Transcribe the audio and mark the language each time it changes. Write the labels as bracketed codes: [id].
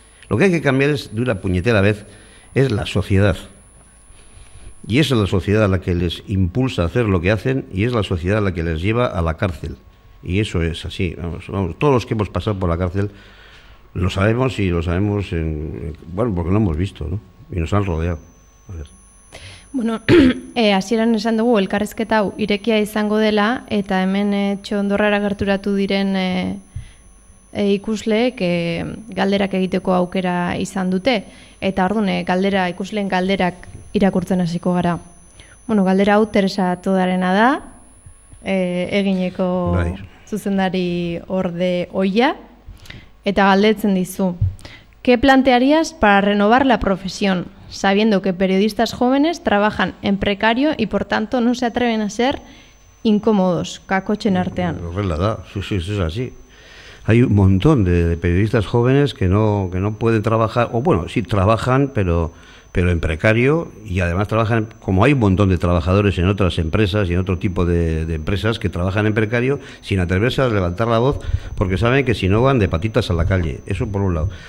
[es] Lo que hay que cambiar es, de una puñetera vez, es la sociedad. Y es la sociedad la que les impulsa a hacer lo que hacen y es la sociedad la que les lleva a la cárcel. Y eso es así. Vamos, vamos, todos los que hemos pasado por la cárcel lo sabemos y lo sabemos, bueno, porque lo hemos visto, ¿no? Y nos han rodeado. A ver. [eu] Bueno, hasieran esan dugu, elkarrezketa hau irekia izango dela, eta hemen Txondorrara gerturatu diren ikusleek galderak egiteko aukera izan dute. Eta orduan, galdera, ikusleen galderak irakurtzen hasiko gara. Bueno, galdera hau Teresa Todarena da, egineko zuzendari orde oia, eta galdetzen dizu. [es] ¿Qué plantearías para renovar la profesión? Sabiendo que periodistas jóvenes trabajan en precario y por tanto no se atreven a ser incómodos, [eu] kakotxen artean. [es] Sí, es así. Hay un montón de periodistas jóvenes que no pueden trabajar, o bueno, sí trabajan, pero en precario, y además trabajan, como hay un montón de trabajadores en otras empresas y en otro tipo de empresas que trabajan en precario sin atreverse a levantar la voz porque saben que si no van de patitas a la calle. Eso por un lado.